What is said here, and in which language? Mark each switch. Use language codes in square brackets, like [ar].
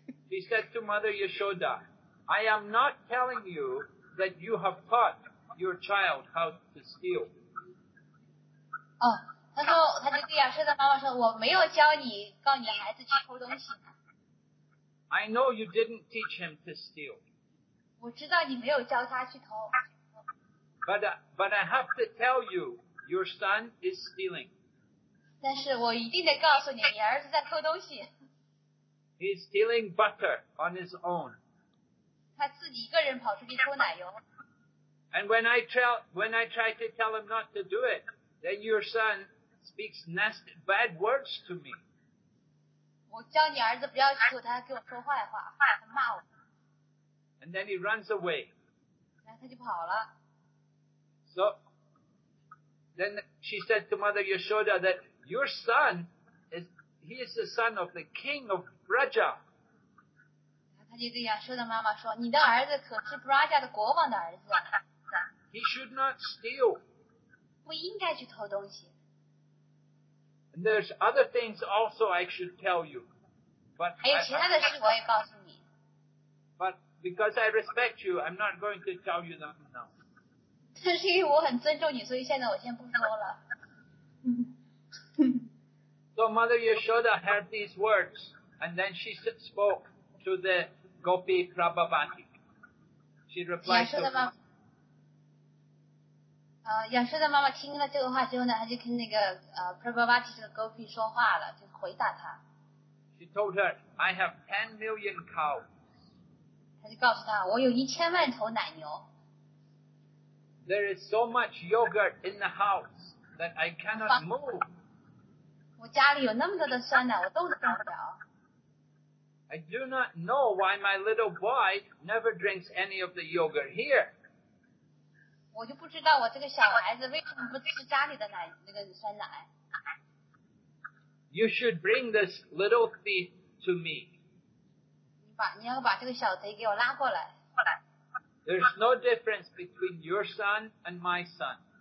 [en] She said to Mother Yashoda, I am not telling you that you have taught your child how to steal. [zh] Oh, 她说，她就对亚瑟的妈妈说，我没有教你，告你孩子去偷东西。 [en] I know you didn't teach him to steal. [zh] 我知道你没有教他去偷。 [en] But I have to tell you, your son is stealing. [zh] 但是我一定得告诉你，你儿子在偷东西。 [en] He's stealing butter on his own. [zh] 他自己一个人跑出去偷奶油。 [en] And when I try to tell him not to do it, then your son speaks nasty bad words to me. [zh] 我教你儿子不要去偷，他给我说坏话，他骂我。 [en] And then he runs away. [zh] 然后他就跑了。 [en] So, then she said to Mother Yashoda that your son is the son of the king of Braja. [zh] 他就跟亚瑟的妈妈说，你的儿子可是 Braja 的国王的儿子。 [en] He should not steal. [zh] 不应该去偷东西。 [en] And there's other things also I should tell you. But [zh] 还有其他的事我也告诉你。 [en] But because I respect you, I'm not going to tell you them now. [zh] 这是因为我很尊重你，所以现在我先不说了。 [en] So Mother Yashoda heard these words, and then she spoke to the Gopi Prabhavati. She replied to him. [zh] 亚瑟的妈妈听了这个话之后呢，她就跟那个Prabhavati 这个 Gopi 说话了，就回答她。 [en] She told her, I have 10 million cows. [zh] 她就告诉她，我有1,000,000头奶牛。 [en] There is so much yogurt in the house that I cannot move. [zh] 我家里有那么多的酸奶，我动都动不了。 [en] I do not know why my little boy never drinks any of the yogurt here. [zh] 我就不知道我这个小孩子为什么不吃家里的奶那个酸奶。 [en] You should bring this little thief to me. [zh] 你要把这个小贼给我拉过来。 [en] There's no difference between your son and my son.